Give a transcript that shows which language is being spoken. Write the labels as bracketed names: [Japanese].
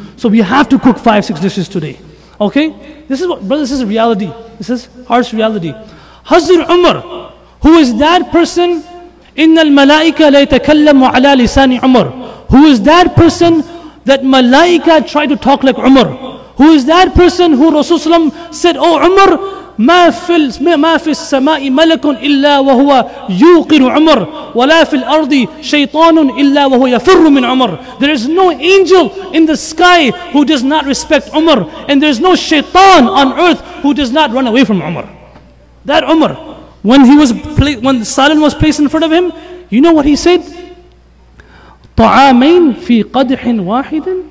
[English] So we have to cook 5-6 dishes today. Okay? This is what, brother, this is reality. This is harsh reality. Hazir Umar, who is that person? [Arabic] Innal malaika laytakallamu ala lisani Umar. [English] Who is that person that malaika tried to talk like Umar? Who is that person who Rasulullah said, oh Umar, [Arabic] ما في السماء ملك إلا وهو يوقر عمر ولا في الأرض شيطان إلا وهو يفر من عمر. [English] There is no angel in the sky who does not respect Umar, and there is no shaitan on earth who does not run away from Umar. That Umar, when Salim was placed in front of him, you know what he said? [Arabic] طعامين في قدح واحد.